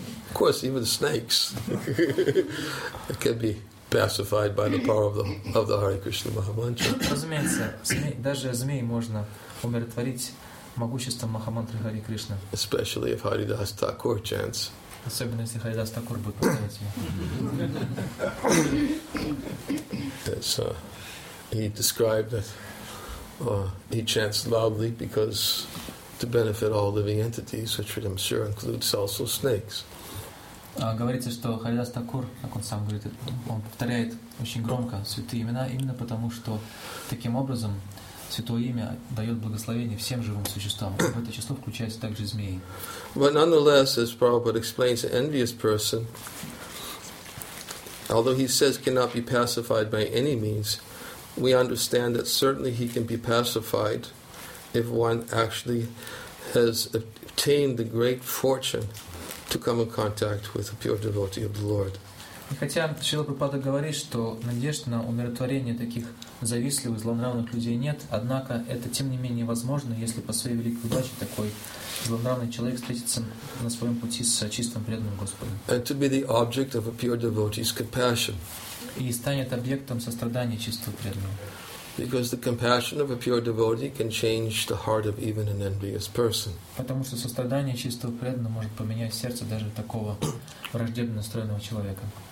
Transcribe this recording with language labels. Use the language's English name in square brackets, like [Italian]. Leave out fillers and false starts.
[English] Of course, even snakes can be pacified by the power of the Hare Krishna Mahamantra. [Russian] Разумеется, даже змей можно умиротворить могуществом Махамантры Хари Кришна. [English] Especially if Haridas Thakur chants. [Russian] Особенно если Харидас Такур будет повторять ее. [English] He described that he chants loudly because to benefit all living entities, which would, I'm sure, includes also snakes. [Russian] Говорится, что Харидас Такур, как он сам говорит, он повторяет очень громко святые имена, именно потому, что таким образом святое имя дает благословение всем живым существам. В это число включаются также змеи. [English] But nonetheless, as Prabhupada explains, an envious person, although he says cannot be pacified by any means, we understand that certainly he can be pacified if one actually has obtained the great fortune to come in contact with a pure devotee of the Lord. [Russian] И хотя Шрила Прабхупада говорит, что надежды на умиротворение таких завистливых, злонравных людей нет, однако это тем не менее возможно, если по своей великой удаче такой злонравный человек встретится на своем пути с чистым преданным Господом. [English] And to be the object of a pure devotee's compassion. [Russian] И станет объектом сострадания чистого преданного. [English] Because the compassion of a pure devotee can change the heart of even an envious person. [Russian] Потому что сострадание чистого преданного может поменять сердце даже такого враждебно настроенного человека.